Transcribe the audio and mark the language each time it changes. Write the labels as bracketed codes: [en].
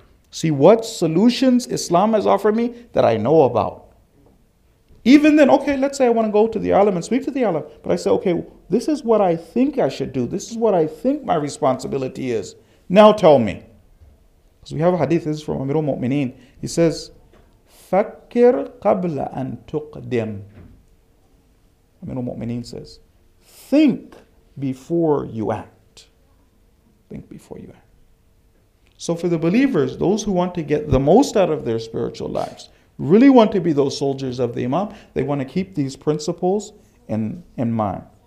[en] See what solutions Islam has offered me that I know about. Even then, okay, let's say I want to go to the alim and speak to the alim, but I say, okay, this is what I think I should do. This is what I think my responsibility is. Now tell me. Because we have a hadith, this is from Amirul Mu'mineen. He says, [ar] فَكِّرْ قَبْلَ أَن تُقْدِمْ. [en] Amirul Mu'mineen says, think before you act. Think before you act. So for the believers, those who want to get the most out of their spiritual lives, really want to be those soldiers of the Imam, they want to keep these principles in mind.